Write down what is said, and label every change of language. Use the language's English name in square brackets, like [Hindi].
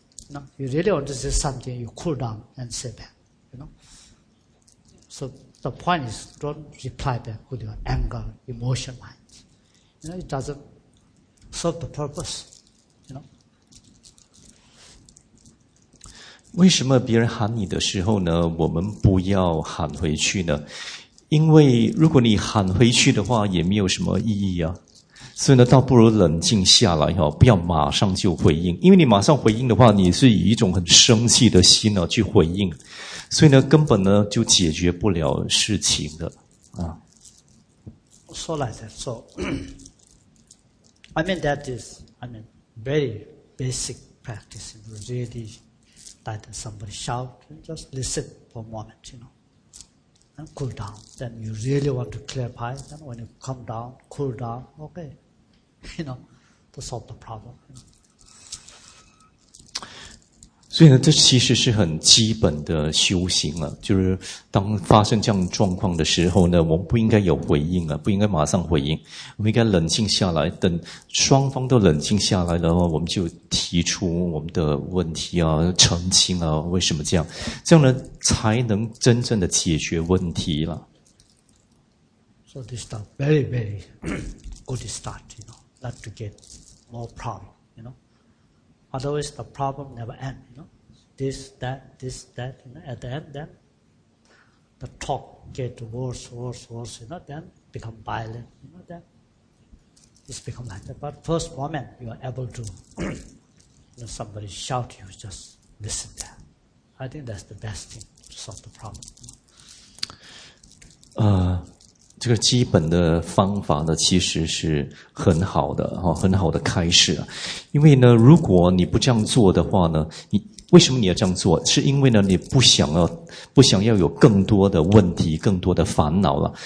[English] not. You really want to say something, you cool down and say back, you know. So the point is, don't reply back with your anger, emotion, mind. You know, it doesn't serve the purpose, you know. [Chinese] 为什么别人喊你的时候呢，我们不要喊回去呢？因为如果你喊回去的话，也没有什么意义啊。所以呢，倒不如冷静下来哈，不要马上就回应，因为你马上回应的话，你是以一种很生气的心呢去回应，所以呢，根本呢就解决不了事情的啊。 [English] So like that, so I mean that is, I mean very basic practice. Really, that somebody shout, just listen for a moment, you know. And cool down. Then you really want to clarify. Then when you come down, cool down. Okay, you know, to solve the problem. You know. [Chinese] 所以呢，这其实是很基本的修行了。就是当发生这样状况的时候呢，我们不应该有回应了，不应该马上回应。我们应该冷静下来，等双方都冷静下来的话，我们就提出我们的问题啊，澄清啊，为什么这样？这样呢，才能真正的解决问题了。 [English] So this is a very, very good start, you know, not to get more problem, you know. Otherwise, the problem never ends. You know? This, that, you know? At the end, then the talk gets worse, worse, worse, you know? Then become violent, you know? Then it's become like that. But first moment, you are able to, you know, somebody shout you, just listen there. I think that's the best thing to solve the problem. You know? [Chinese] 这个基本的方法呢，其实是很好的，很好的开始。因为呢，如果你不这样做的话呢，你为什么你要这样做？是因为呢，你不想要有更多的问题，更多的烦恼了。